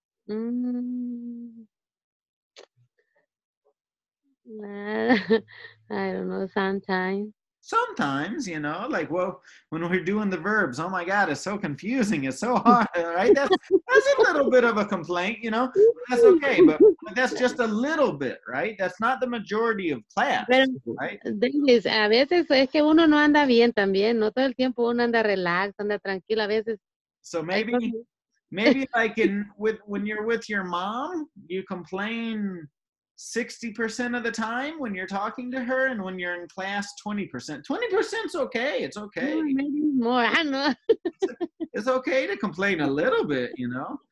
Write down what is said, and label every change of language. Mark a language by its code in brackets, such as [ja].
[en] I don't know, sometimes. Sometimes, you know, like, well, when we're doing the verbs, oh my God, it's so confusing, it's so hard, right? That's a little bit of a complaint, you know? That's okay, but that's just a little bit, right? That's not the majority of class, right? [es] A veces es que uno no anda bien también, no todo el tiempo uno anda relax, anda tranquilo, a veces. [en] So maybe like in with when you're with your mom, you complain 60% of the time when you're talking to her, and when you're in class, 20%. 20% is okay. It's okay. Maybe more. I don't know. It's okay to complain a little bit, you know.